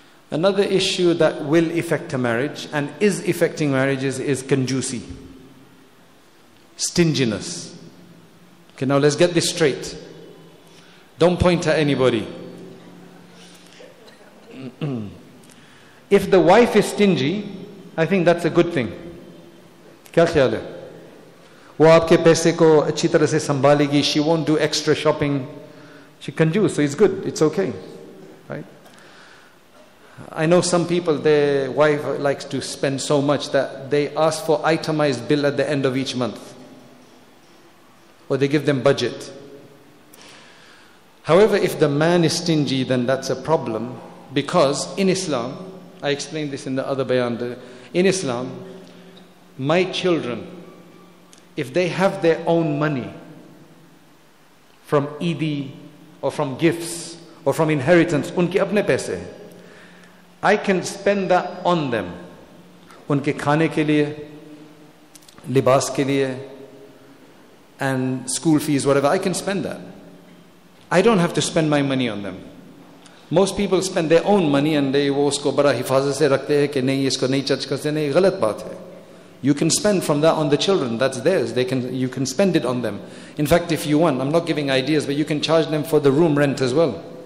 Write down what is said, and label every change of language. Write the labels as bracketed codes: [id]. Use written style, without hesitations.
[en] Another issue that will affect a marriage and is affecting marriages is conjusi. Stinginess. Okay, now let's get this straight. Don't point at anybody. If the wife is stingy, I think that's a good thing. [ur] کیا خیال ہے؟ وہ آپ کے پیسے کو اچھی طرح سے سنبھالے گی. [en] She won't do extra shopping. She can do, so it's good. It's okay. Right? I know some people, their wife likes to spend so much that they ask for itemized bill at the end of each month. Or they give them budget. However, if the man is stingy, then that's a problem. Because in Islam, I explained this in the other bayan, in Islam, my children, if they have their own money from Eidi or from gifts or from inheritance, [ur] unki apne paise, [en] I can spend that on them. [ur] ان کے کھانے کے لیے، لباس کے لیے، [en] and school fees, whatever, I can spend that. I don't have to spend my money on them. Most people spend their own money and they [ur] وہ اس کو بڑا حفاظت سے رکھتے ہے کہ نہیں اس کو نہیں charge کرتے، نہیں غلط بات ہے. [en] You can spend from that on the children, that's theirs. You can spend it on them. In fact, if you want, I'm not giving ideas, but you can charge them for the room rent as well.